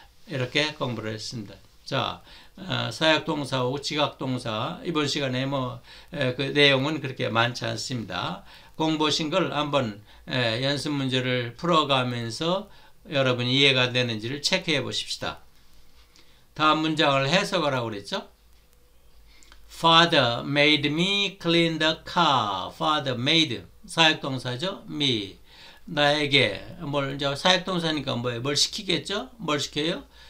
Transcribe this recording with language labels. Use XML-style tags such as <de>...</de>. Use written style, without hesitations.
<ko>이렇게 공부를 했습니다. 자, 사역 동사하고 지각 동사. 이번 시간에 뭐, 그 내용은 그렇게 많지 않습니다. 공부하신 걸 한번 연습 문제를 풀어가면서 여러분이 이해가 되는지를 체크해 보십시다. 다음 문장을 해석을 하라고 그랬죠?</ko> <en>Father made me clean the car. Father made.</en> <ko>사역 동사죠?</ko> <en>Me.</en> <ko>나에게 뭘 이제 사역동사니까 뭐예요? 뭘 시키겠죠? 뭘 시켜요?</ko>